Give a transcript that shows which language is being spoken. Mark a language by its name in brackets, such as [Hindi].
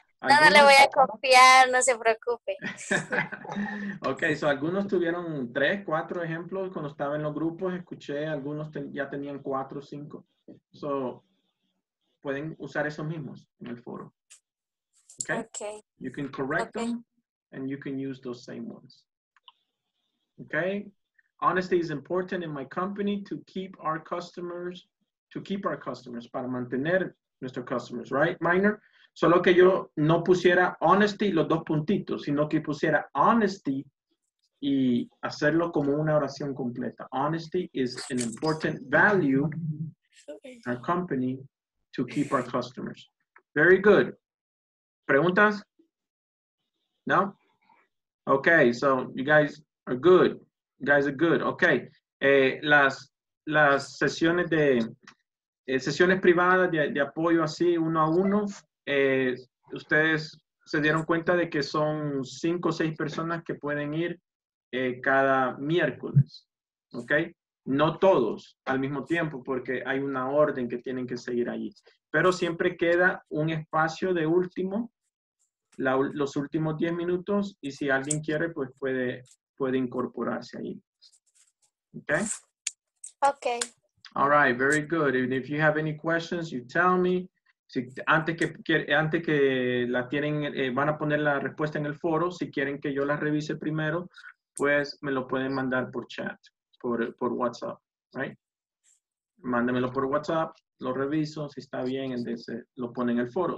[Spanish] algunos, no le voy a confiar, no se preocupe. [English] Ok, so [Spanish] algunos tuvieron 3, 4 ejemplos cuando estaba en los grupos, escuché, algunos ya tenían 4, 5. [English] So, [Spanish] pueden usar esos mismos en el foro. [English] Ok. Okay. You can correct okay. them and you can use those same ones. Ok. Honesty is important in my company to keep our customers, [Spanish] para mantener nuestro [English] customers, right, Minor? [Spanish] Solo que yo no pusiera honesty, los dos puntitos, sino que pusiera honesty y hacerlo como una oración completa. [English] Honesty is an important value in our company to keep our customers. Very good. [Spanish] ¿Preguntas? [English] No? Okay, so you guys are good. You guys are good. Okay. [Spanish] Las sesiones de sesiones privadas de apoyo así uno a uno. Ustedes se dieron cuenta de que son 5 o 6 personas que pueden ir cada miércoles, ¿ok? No todos al mismo tiempo porque hay una orden que tienen que seguir allí. Pero siempre queda un espacio de último los últimos 10 minutos y si alguien quiere, pues puede incorporarse ahí. [English] Okay? Okay. All right, very good. And if you have any questions, you tell me. [Spanish] Si, antes que la tienen, van a poner la respuesta en el foro, si quieren que yo la revise primero, pues me lo pueden mandar por chat, por WhatsApp, [English] right? [Spanish] Mándemelo por WhatsApp, lo reviso, si está bien, entonces lo ponen en el foro.